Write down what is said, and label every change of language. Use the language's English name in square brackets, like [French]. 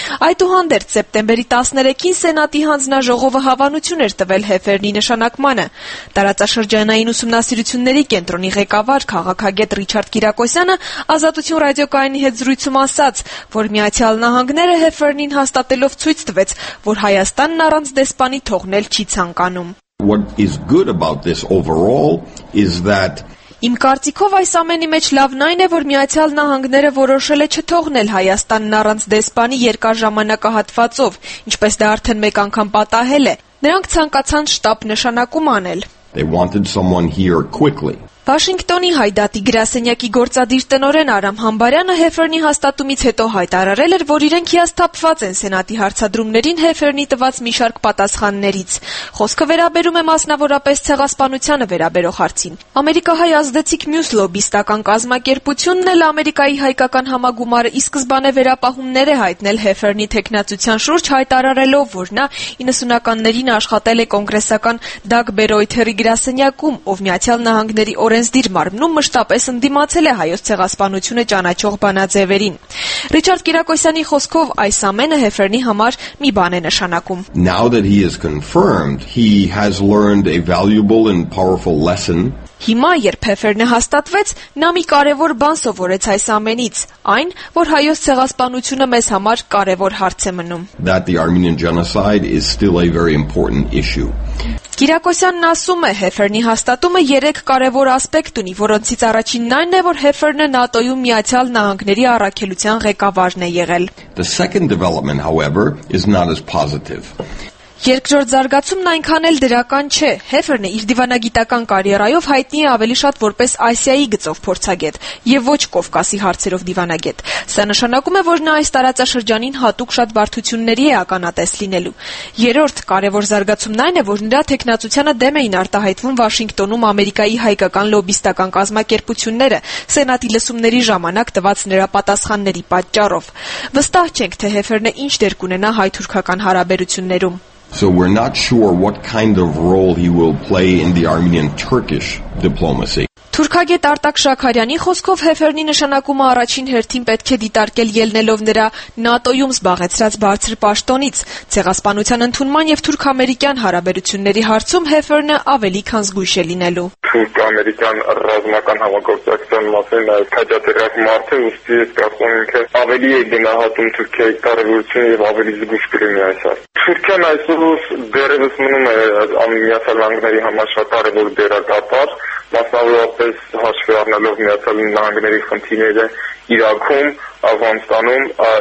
[Armenian] Այդուհանդերձ սեպտեմբերի 13-ին Սենատի հանձնաժողովը հավանություն էր տվել Հեֆերնի նշանակմանը։ Տարածաշրջանային ուսումնասիրությունների կենտրոնի ղեկավար քաղաքագետ Ռիչարդ Կիրակոսյանը Ազատություն ռադիոկայանի հետ զրույցում ասաց, որ Միացյալ Նահանգները Հեֆերնին հաստատելով ցույց տվեց, որ Հայաստանն առանց դեսպանի թողնել չի ցանկանում։ [English] What is good about this overall is that [Armenian] Իմ կարծիքով այս ամենի մեջ լավն այն է, որ Միացյալ Նահանգները որոշել է չթողնել Հայաստանն առանց դեսպանի երկար ժամանակահատվածով, ինչպես դա արդեն մեկ անգամ պատահել է։ Նրանք ցանկացան շտապ նշանակում անել։ [English] They wanted someone here quickly. [Armenian] Վաշինգտոնի հայդատի գրասենյակի գործադիր տնօրեն Արամ Համբարյանը Հեֆերնի հաստատումից հետո հայտարարել էր, որ իրենք հիասթափված են Սենատի հարցադրումներին Հեֆերնի տված մի շարք պատասխաններից։ Խոսքը վերաբերում է մասնավորապես ցեղասպանությանը վերաբերող հարցին։ Ամերիկահայ ազդեցիկ մյուս լոբիստական կազմակերպությունն էլ Ամերիկայի հայկական համագումարը ի սկզբանե վերապահումներ է հայտնել Հեֆերնի թեկնածության շուրջ, հայտարարելով, որ նա 90-ականներին աշխատել է կոնգրեսական Դակ Բերոյթերի գրասենյակում, ով Միացյալ Նահանգների օրենսդիր մարմնում մշտապես ընդդիմացել է հայոց ցեղասպանությունը ճանաչող բանաձևերին։ Ռիչարդ Կիրակոսյանի խոսքով այս ամենը Հեֆերնի համար մի բան է նշանակում։ [English] Now that he is confirmed, he has learned a valuable and powerful lesson. [Armenian] Հիմա, երբ Հեֆերնը հաստատվեց, նա մի կարևոր բան սովորեց այս ամենից, այն, որ հայոց ցեղասպանությունը մեզ համար կարևոր հարց է մնում։ [English] That the Armenian genocide is still a very important issue. [Armenian] Կիրակոսյանն ասում է, Հեֆերնի հաստատումը 3 կարևոր ասպեկտ ունի, որոնցից առաջինն այն է, որ Հեֆերնը ՆԱՏՕ-ի Միացյալ Նահանգների առաքելության ղեկավարն է եղել։ [English] The second development, however, is not as positive. [Armenian] Երկրորդ զարգացումն այնքան էլ դրական չէ։ Հեֆերնը իր դիվանագիտական կարիերայով հայտնի է ավելի շատ որպես Ասիայի գծով փորձագետ եւ ոչ Կովկասի հարցերով դիվանագետ։ Սա նշանակում է, որ նա այս տարածաշրջանին հատուկ շատ բարդությունների է ականատես լինելու։ Երրորդ կարևոր զարգացումն այն է, որ նրա թեկնածությունը դեմ էին արտահայտվում Վաշինգտոնում Ամերիկայի հայկական լոբիստական կազմակերպությունները Սենատի լսումների ժամանակ տված նրա պատասխանների պատճառով։ Վստահ չենք, թե Հեֆերնը ինչ դերք ունենա հայ-թուրքական հարաբերություններում։ [English] So we're not sure what kind of role he will play in the Armenian-Turkish diplomacy. [Armenian] Թուրքագետ Արտակ Շաքարյանի խոսքով Հեֆերնի նշանակումը առաջին հերթին պետք է դիտարկել ելնելով նրա ՆԱՏՕ-յում զբաղեցրած բարձր պաշտոնից։ Ցեղասպանության ընդունման եւ թուրք-ամերիկյան հարաբերությունների հարցում Հեֆերնը ավելի քան զգույշ է լինելու։ Թուրք-ամերիկյան ռազմական համագործակցության մասին նաեւ քաջատերյակ մարդ է, ուստի ես կարծում եմ, թե ավելի է գնահատում Թուրքիայի կարևորությունը եւ ավելի զգույշ կլինի այս հարցը։ Թուրքիան այսօր դերևս մնում է Միացյալ Նահանգների համար շատ կարևոր դերակատար։ Մասնավորապես հաշվի առնելով Միացյալ Նահանգների խնդիրները Իրաքում, Աֆղանստանում,